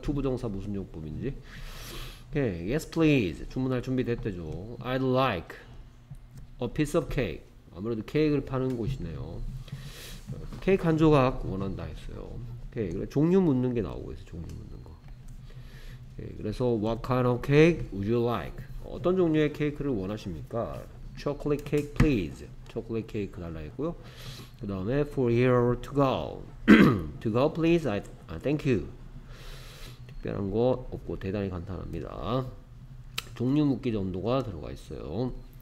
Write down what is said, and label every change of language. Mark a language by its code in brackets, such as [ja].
[ko] 투부정사 무슨 용법인지. [en] 오케이. Yes, please. [ko] 주문할 준비 됐대죠. [en] I'd like a piece of cake. [ko] 아무래도 케이크를 파는 곳이네요. 케이크 한 조각 원한다 했어요. 오케이. 그래, 종류 묻는 게 나오고 있어. 종류 묻는 거. 오케이. [en] 그래서 What kind of cake would you like? [ko] 어떤 종류의 케이크를 원하십니까? [en] Chocolate cake, please. [ko] 초콜릿 케이크 달라 했고요. 그 다음에 [en] for here to go, to go please, thank you. [ko] 특별한 거 없고 대단히 간단합니다. 종류 묻기 정도가 들어가 있어요.